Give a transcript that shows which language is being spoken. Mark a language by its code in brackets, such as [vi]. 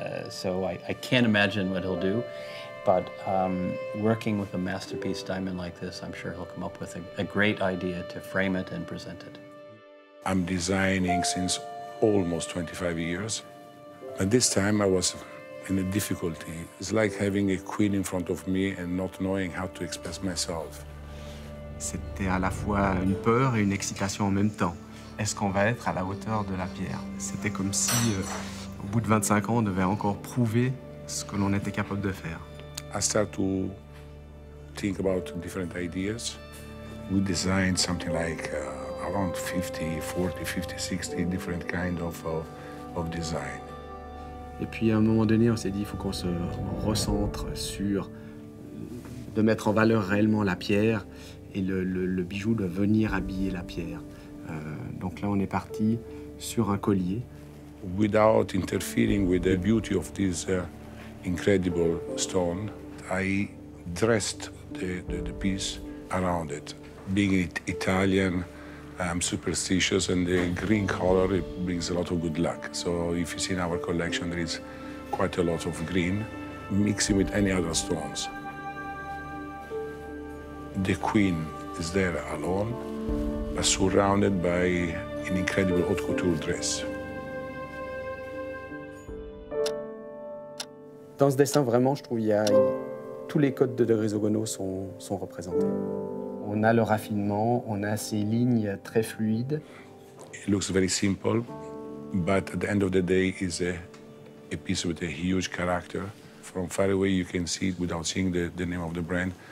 [en] So I can't imagine what he'll do. But working with a masterpiece diamond like this, I'm sure he'll come up with a great idea to frame it and present it. I'm designing since almost 25 years. At this time, I was in a difficulty. It's like having a queen in front of me and not knowing how to express myself. [fr] C'était à la fois une peur et une excitation en même temps. Est-ce qu'on va être à la hauteur de la pierre? C'était comme si, au bout de 25 ans, on devait encore prouver ce que l'on était capable de faire. [en] I started to think about different ideas. We designed something like around 50, 40, 50, 60 different kinds of design. [fr] Et puis, à un moment donné, on s'est dit, il faut qu'on se recentre sur de mettre en valeur réellement la pierre. Et le bijou doit venir habiller la pierre. Donc là, on est parti sur un collier [en] without interfering with the beauty of this incredible stone, I dressed the piece around it. Being Italian, I'm superstitious, and the green color, it brings a lot of good luck. So if you see in our collection, there is quite a lot of green, mixing with any other stones. The queen is there alone, but surrounded by an incredible haute couture dress. [fr] Dans ce dessin, vraiment, je trouve qu'il y a tous les codes de Grisogono sont représentés. On a le raffinement, on a ces lignes très fluides. [en] It looks very simple, but at the end of the day, is a piece with a huge character. From far away, you can see it without seeing the name of the brand.